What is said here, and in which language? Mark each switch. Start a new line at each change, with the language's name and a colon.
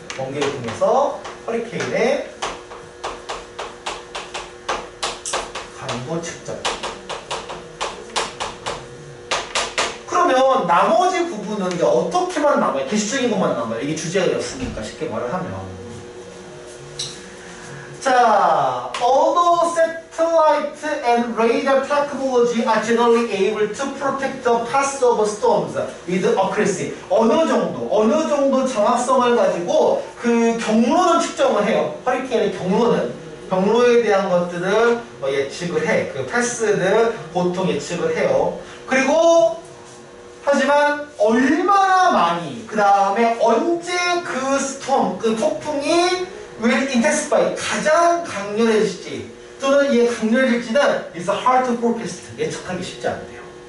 Korean: 번개를 통해서 허리케인의 강도 측정. 그러면 나머지 부분은 이제 어떻게만 남아요? 기술적인 것만 남아요. 이게 주제였으니까 쉽게 말을 하면. 자,
English: although satellite and radar technology are generally able to protect the path of storms with accuracy.
Korean: 어느 정도 정확성을 가지고 그 경로는 측정을 해요. 허리케인의 경로는. 경로에 대한 것들을 뭐 예측을 해. 그 패스는 보통 예측을 해요. 그리고, 하지만, 얼마나 많이, 그 다음에 언제 그 스톰, 그 폭풍이
English: will intensify,
Korean: 가장 강렬해질지, 또는 이게 강렬해질지는
English: is hard to forecast,
Korean: 예측하기 쉽지 않대요.